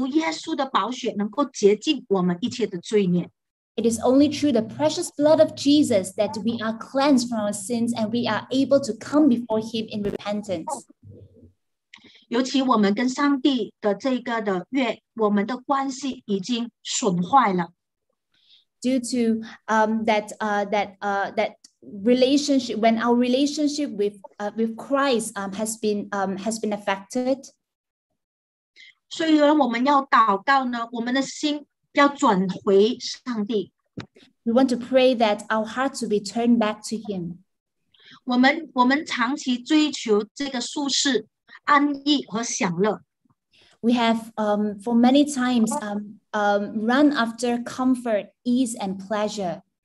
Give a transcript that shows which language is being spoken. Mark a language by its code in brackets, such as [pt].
[zh] 我们要回到神的面前祈求他的怜悯，用耶稣基督，因着他的怜悯，是因为耶稣基督的宝血所立的约，我们跟上帝之间的关系，唯独耶稣的宝血能够洁净我们一切的罪孽。 [en] It is only through the precious blood of Jesus that we are cleansed from our sins and we are able to come before him in repentance. [zh] 尤其我们跟上帝的这个的约，我们的关系已经损坏了。 [en] Due to that relationship, when our relationship with Christ has been affected. [zh] 所以我们要祷告呢，我们的心要转回上帝。 [en] We want to pray that our hearts will be turned back to Him. [zh] 我们长期追求这个舒适、安逸和享乐。 [en] We have for many times run after comfort, ease, and pleasure.